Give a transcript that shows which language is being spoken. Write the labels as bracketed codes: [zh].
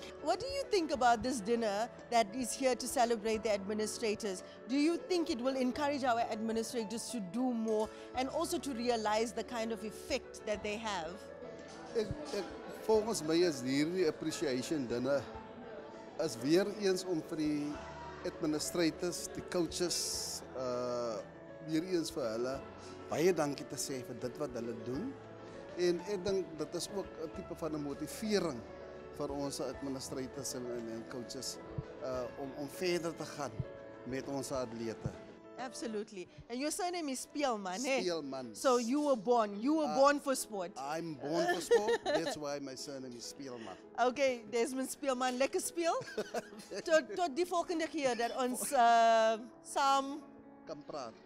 [en] What do you think about this dinner that is here to celebrate the administrators? Do you think it will encourage our administrators to do more and also to realize the kind of effect that they have? [af] Ek volgens my is hierdie appreciation dinne is weer eens om vir die administrators, die coaches, weer eens vir hulle baie dankie te sê vir dit wat hulle doen. En ek dink dit is ook 'n tipe van 'n motivering vir ons administrators en coaches om verder te gaan met ons atlete. [en] Absolutely. And your surname is Spielman, eh? Spielman. So you were born. You were born for sport. I'm born for sport. That's why my surname is Spielman. [af] Okay, Desmond Spielman. Lekker speel. Tot die volgende keer dat ons saam kan praat.